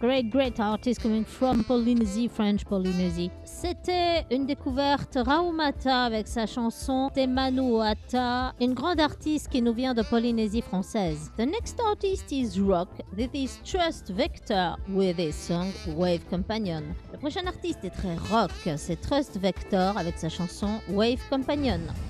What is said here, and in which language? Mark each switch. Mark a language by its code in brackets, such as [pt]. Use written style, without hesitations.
[en] Great artist coming from Polynésie, French Polynésie. [fr] C'était une découverte RAUMATA avec sa chanson Te Manu Ata, une grande artiste qui nous vient de Polynésie française. [en] The next artist is Rock. This is Trust Vector with his song Wave Companion. [fr] Le prochain artiste est très rock, c'est Trust Vector avec sa chanson Wave Companion.